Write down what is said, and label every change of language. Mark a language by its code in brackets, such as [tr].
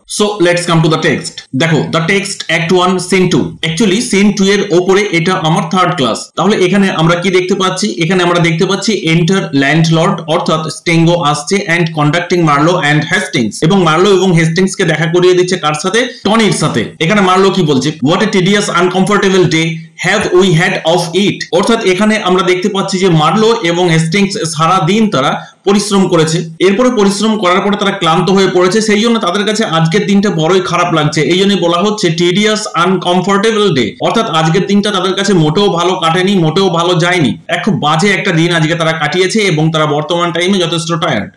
[en] So let's come to the text. দেখো the text act 1 scene 2। [bn] Actually scene 2 এর উপরে এটা আমার থার্ড ক্লাস। তাহলে এখানে আমরা কি দেখতে পাচ্ছি? এখানে আমরা দেখতে পাচ্ছি এন্টার ল্যান্ডলর্ড অর্থাৎ স্টিংগো আসছে [en] and conducting Marlow and Hastings, [bn] এবং মার্লো এবং হেস্টিংস কে দেখা করিয়ে দিচ্ছে কার সাথে? টনির সাথে। এখানে মার্লো কি বলছে? [en] What a tedious, uncomfortable day have we had of it. [bn] অর্থাৎ এখানে আমরা দেখতে পাচ্ছি যে মার্লো এবং হেস্টিংস সারা দিন তারা পরিশ্রম করেছে, এরপরে পরিশ্রম করার পরে তারা ক্লান্ত হয়ে পড়েছে, সেই জন্য তাদের কাছে আজকের দিনটা বড়ই খারাপ লাগছে। এই জন্য বলা হচ্ছে টিডিয়াস আনকমফোর্টেবল ডে, অর্থাৎ আজকের দিনটা তাদের কাছে মোটেও ভালো কাটেনি, মোটেও ভালো যায়নি, এক খুব বাজে একটা দিন আজকে তারা কাটিয়েছে এবং তারা বর্তমান টাইমে যথেষ্ট টায়ার্ড।